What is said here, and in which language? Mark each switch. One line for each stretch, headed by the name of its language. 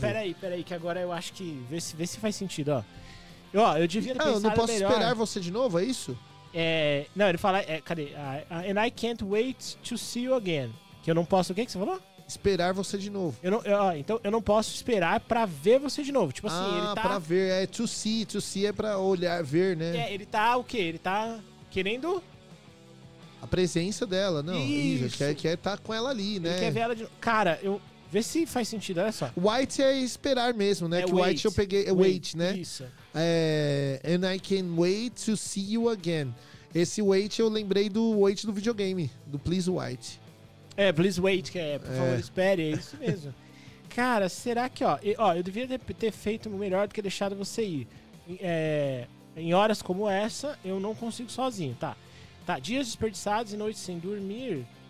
Portuguese: Peraí, que agora eu acho que... Vê se faz sentido, ó. Eu devia ter pensado melhor. Não posso melhor. Esperar você de novo, é isso? Não, ele fala... cadê?
English: And I can't wait to see you again.
Portuguese: Que eu não posso... O que você falou? Esperar você de novo. Eu não posso esperar pra ver você de novo. Tipo assim, ele tá... Ah, pra ver. É to see é pra olhar, ver, né? Ele tá o quê? Ele tá querendo... A presença dela, não. Isso. Quer estar com ela ali, né? Ele quer ver ela de novo. Cara, vê se faz sentido, olha só. White é esperar mesmo, né? White eu peguei... Wait, né? Isso.
English: And I can wait to see you again.
Portuguese: Esse wait eu lembrei do wait do videogame, do Please Wait. Please Wait, que é, por favor, espere, é isso mesmo. Cara, será que, eu devia ter feito melhor do que deixado você ir. Em horas como essa, eu não consigo sozinho, tá? Tá, dias desperdiçados e noites sem dormir.